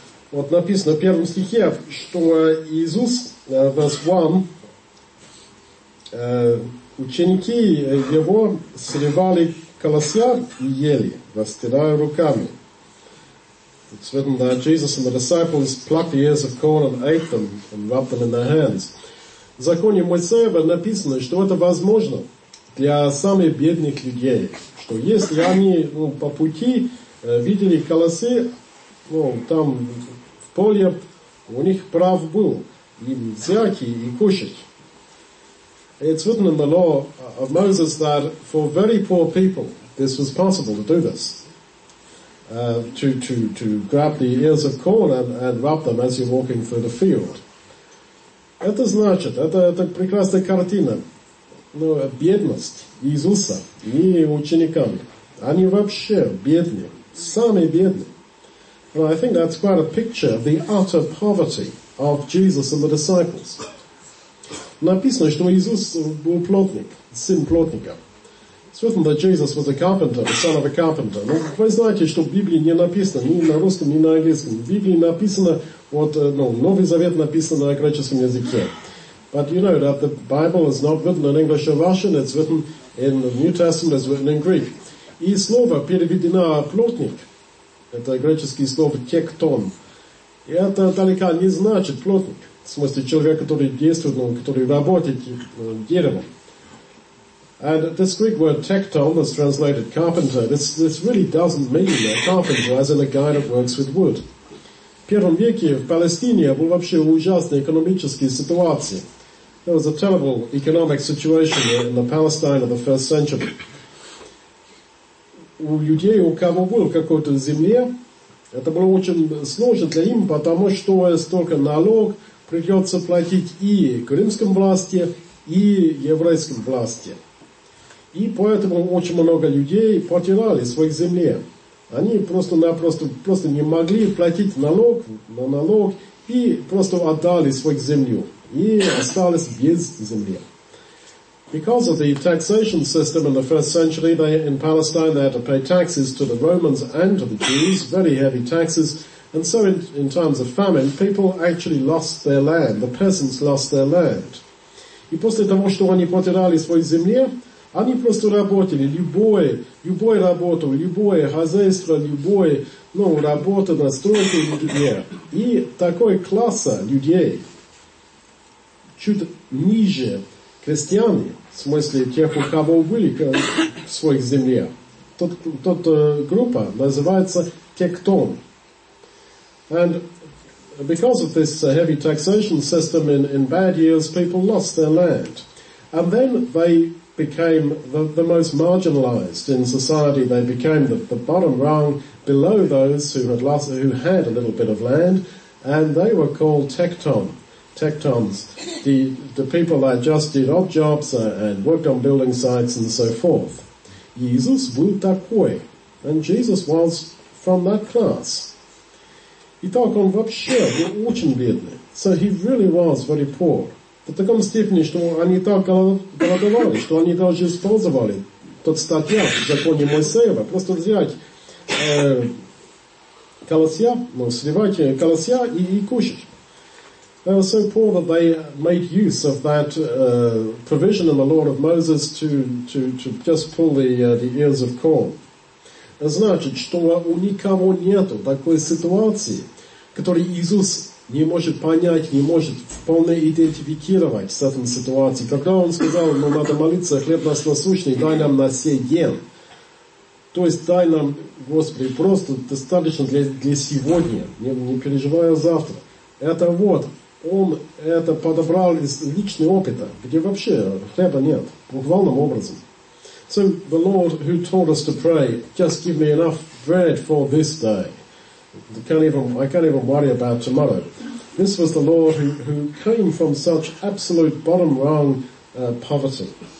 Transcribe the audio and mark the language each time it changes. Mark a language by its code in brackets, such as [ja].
[ru] Вот написано в первом стихе, что Иисус, verse 1, ученики Его сливали колосья и ели, растирая руками. [en] It's written that Jesus and the disciples plucked the ears of corn and ate them and rubbed them in their hands. [ru] В законе Моисея написано, что это возможно для самых бедных людей, что если они по пути видели колосы, там в поле, у них прав был им взять и кушать. [en] It's written in the law of Moses that for very poor people this was possible to do this. To grab the ears of corn and rub them as you're walking through the field. [ru] Это значит, это прекрасная картина, бедность Иисуса и ученикам. Они вообще бедные, самые бедные. [en] Well, I think that's quite a picture of the utter poverty of Jesus and the disciples. [ru] Написано, что Иисус был плотник, сын плотника. [en] It's written that Jesus was a carpenter, the son of a carpenter. [ru] Но вы знаете, что в Библии не написано ни на русском, ни на английском. В Библии написано, Новый Завет написан на греческом языке. [en] But you know that the Bible is not written in English or Russian, it's written in the New Testament, it's written in Greek. [ru] И слово переведено «плотник», это греческое слово «тектон». И это далеко не значит «плотник», в смысле человек, который действует, который работает деревом. [en] And this Greek word tekton is translated carpenter. This really doesn't mean a carpenter as in a guy that works with wood. [ru] В первом веке в Палестине был вообще ужасная экономическая ситуация. [en] There was a terrible economic situation in the Palestine of the first century. [ru] У людей, у кого был какой-то земле, это было очень сложно для им, потому что столько налог придется платить и крымским власти, и еврейским власти. И поэтому очень много людей потеряли своих земли. Они просто не могли платить налог на налог и просто отдали свою землю. И остались без земли. [en] Because of the taxation system in the first century, in Palestine, they had to pay taxes to the Romans and to the Jews, very heavy taxes. And so in times of famine, people actually lost their land. The peasants lost their land. [ru] И после того, что они потеряли свою землю, они просто работали любую работу, любое хозяйство, любое работу на стройке людей. И такой класса людей, чуть ниже крестьяне, в смысле тех, у кого были в своих земле, тот группа называется тектон. [en] And because of this heavy taxation system in bad years, people lost their land. And then they became the most marginalized in society. They became the bottom rung below those who had a little bit of land, and they were called tectons, the people that just did odd jobs and worked on building sites and so forth. Jesus [ru] был такой, [en] and Jesus was from that class. [ru] Итак, он вообще был очень бедный, [en] so he really was very poor. [ru] В таком степени, что они так голодовали, что они даже использовали тот статья в законе Моисеева, просто сливать колосья и кушать. [en] They were so poor that they made use of that provision in the law of Moses to just pull the ears of corn. [ru] Значит, что у никого нету такой ситуации, которой Иисус не может понять, не может вполне идентифицировать с этой ситуацией. Когда он сказал, надо молиться, хлеб наш насущный, дай нам на сей день. То есть дай нам, Господи, просто достаточно для сегодня, не переживая завтра. Это вот, он это подобрал из личного опыта, где вообще хлеба нет, буквальным образом. [en] So the Lord who told us to pray, just give me enough bread for this day. I can't even worry about tomorrow. This was the Lord who came from such absolute bottom rung poverty.